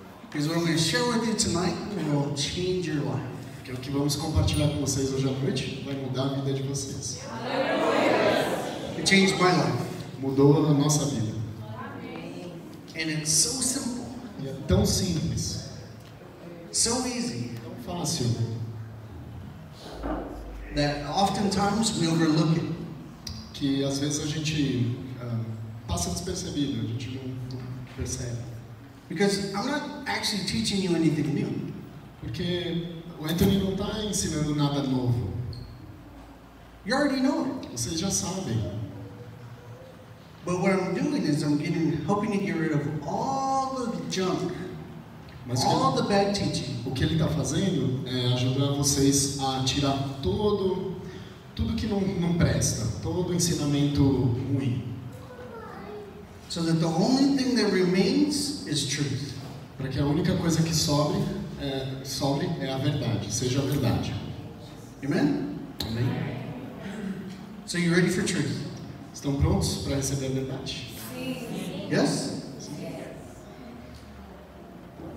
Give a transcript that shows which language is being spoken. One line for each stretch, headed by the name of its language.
English: Because what we share with you tonight will change your life.
Portuguese: Que é o que vamos compartilhar com vocês hoje à noite vai mudar a vida de vocês.
English: It changed my life.
Portuguese: Mudou a nossa vida.
English: And it's so simple.
Portuguese: E é tão simples.
English: So easy.
Portuguese: Tão fácil.
English: That oftentimes we overlook it.
Portuguese: Que às vezes a gente passa despercebido, a gente não percebe.
English: Because I'm not actually teaching you anything new.
Portuguese: Porque o Anthony não está ensinando nada novo.
English: You already know it.
Portuguese: Vocês já sabem.
English: But what I'm doing is I'm getting, hoping to get rid of all of the junk,
Portuguese: mas
English: all of the bad teaching.
Portuguese: O que ele está fazendo é ajudar vocês a tirar tudo que não presta, todo ensinamento ruim.
English: So that the only thing that remains is truth.
Portuguese: Para que a única coisa que sobre é a verdade, seja a verdade.
English: Amen? Amen. So you ready for truth?
Portuguese: Estão prontos para receber a verdade? Sim.
English: Yes?
Portuguese: Sim.